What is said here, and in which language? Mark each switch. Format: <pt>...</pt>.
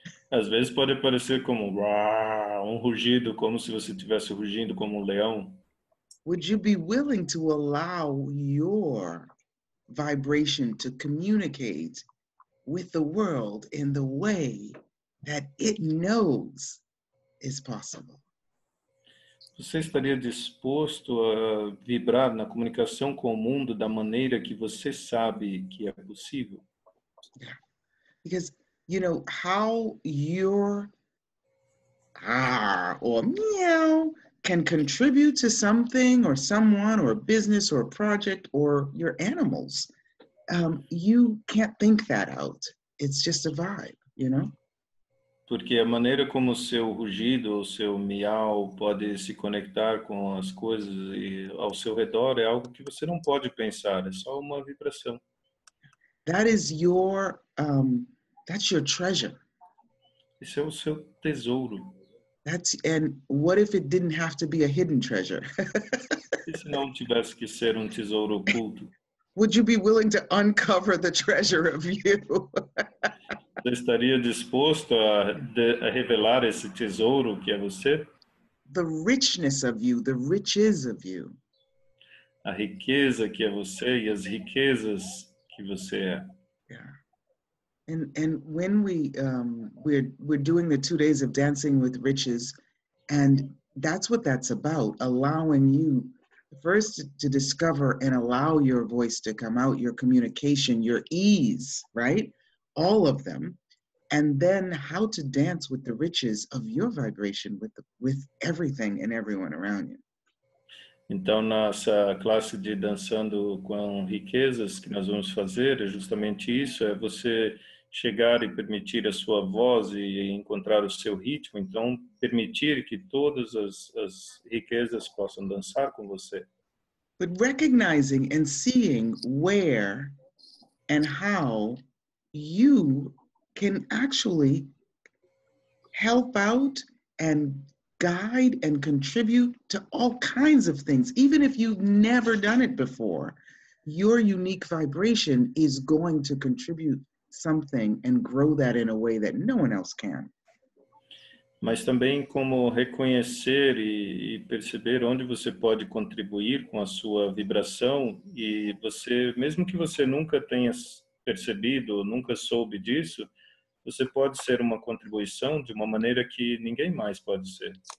<pt>Às vezes pode aparecer como rugido, como se você estivesse rugindo como leão.</pt> <en>Would you be willing to allow your vibration to communicate with the world in the way that it knows is possible?</en> <pt>Você estaria disposto a vibrar na comunicação com o mundo da maneira que você sabe que é possível?</pt> <en>Yeah. Because, you know, how your ah, or meow can contribute to something or someone or a business or a project or your animals, you can't think that out. It's just a vibe, you know?</en> <pt>Porque a maneira como o seu rugido ou seu miau pode se conectar com as coisas e ao seu redor é algo que você não pode pensar, é só uma vibração.</pt> <en>That is your, that's your treasure.</en> <pt>Esse é o seu tesouro.</pt> <en>That's, and what if it didn't have to be a hidden treasure?</en> <pt>E se não tivesse que ser um tesouro oculto?</pt> <en>Would you be willing to uncover the treasure of you?</en> <pt>Você estaria disposto a revelar esse tesouro que é você?</pt> <en>The richness of you, the riches of you.</en> <pt>A riqueza que é você e as riquezas que você é.</pt> <en>Yeah. And when we're doing the 2 days of dancing with riches, and that's what that's about, allowing you first to discover and allow your voice to come out, your communication, your ease, right? All of them, and then how to dance with the riches of your vibration with the, with everything and everyone around you.</en> <pt>Então, nossa classe de dançando com riquezas que nós vamos fazer é justamente isso, é você chegar e permitir a sua voz e encontrar o seu ritmo, então permitir que todas as riquezas possam dançar com você.</pt> <en>But recognizing and seeing where and how you can actually help out and guide and contribute to all kinds of things, even if you've never done it before. Your unique vibration is going to contribute something and grow that in a way that no one else can.</en> <pt>Mas também como reconhecer e perceber onde você pode contribuir com a sua vibração e você, mesmo que você nunca tenha percebido, nunca soube disso, você pode ser uma contribuição de uma maneira que ninguém mais pode ser.</pt>